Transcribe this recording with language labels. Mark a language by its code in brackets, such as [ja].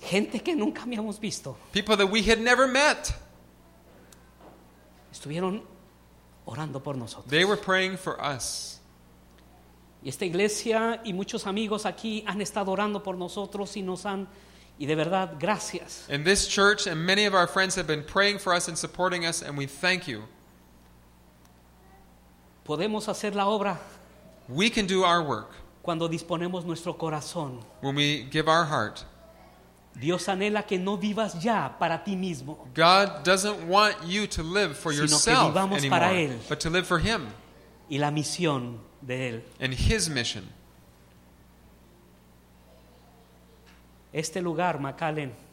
[es] gente que nunca habíamos visto, [en] people that we had never met, [es] estuvieron orando por nosotros. [en] They were praying for us. [es] Y esta iglesia y muchos amigos aquí han estado orando por nosotros y nos han, y de verdad, gracias. [en] And this church and many of our friends have been praying for us and supporting us, and we thank you. [es] Podemos hacer la obra. [en] We can do our work. [es] Cuando disponemos nuestro corazón. [en] When we give our heart. [es] Dios anhela que no vivas ya para ti mismo. [en] God doesn't want you to live for yourself anymore. [es] Para él. [en] But to live for him. [es] Y la misión de él. [en] And his mission. [es] Este lugar, McAllen.